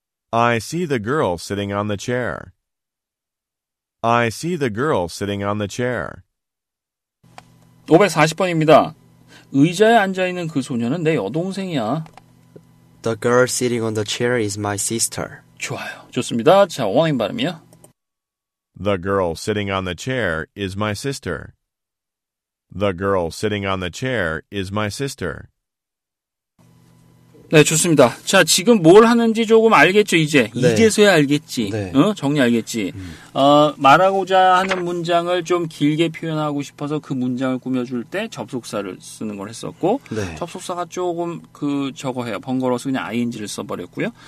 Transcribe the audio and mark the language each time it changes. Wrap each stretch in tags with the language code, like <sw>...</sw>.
<en>I see the girl sitting on the chair. I see the girl sitting on the chair.</en> <ko>540번입니다. 의자에 앉아 있는 그 소녀는 내 여동생이야.</ko> <en>The girl sitting on the chair is my sister.</en> <ko>좋아요. 좋습니다. 자, 원어민 발음이요.</ko> <en>The girl sitting on the chair is my sister. The girl sitting on the chair is my sister.</en> <ko>네, 좋습니다. 자, 지금 뭘 하는지 조금 알겠죠, 이제? 네. 이제서야 알겠지. 네. 어? 정리 알겠지. 말하고자 하는 문장을 좀 길게 표현하고 싶어서 그 문장을 꾸며줄 때 접속사를 쓰는 걸 했었고, 네. 접속사가 조금 그 저거 해요. 번거로워서 그냥 ing를 써버렸고요.</ko>